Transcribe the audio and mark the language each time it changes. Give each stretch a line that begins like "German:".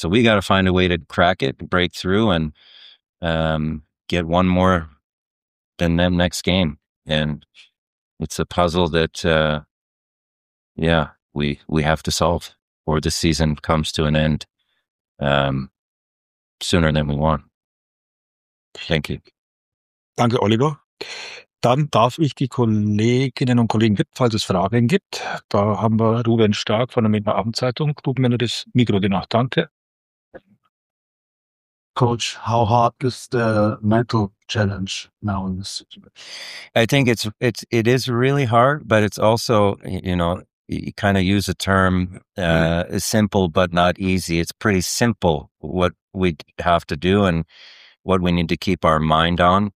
English: So we got to find a way to crack it, break through, and get one more than them next game. And it's a puzzle that, we have to solve, or the season comes to an end sooner than we want. Thank you.
German: Danke, Oliver. Dann darf ich die Kolleginnen und Kollegen bitten, falls es Fragen gibt. Da haben wir Ruben Stark von der Münchner Abendzeitung. Ruben, wenn du das Mikro dir noch, danke.
English: Coach, how hard is the mental challenge now in this situation? I think it is really hard, but it's also, you know, you kind of use a term, simple but not easy. It's pretty simple what we have to do and what we need to keep our mind on.